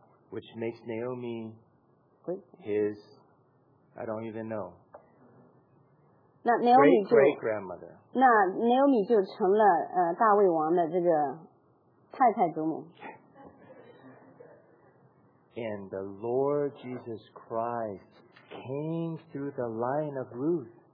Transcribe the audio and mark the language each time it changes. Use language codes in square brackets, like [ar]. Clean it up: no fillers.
[en] which makes Naomi his, I don't even know, great-great-grandmother. [zh] 那Naomi就成了, 大卫王的这个太太祖母。 [en] And the Lord Jesus Christ came through the line of Ruth.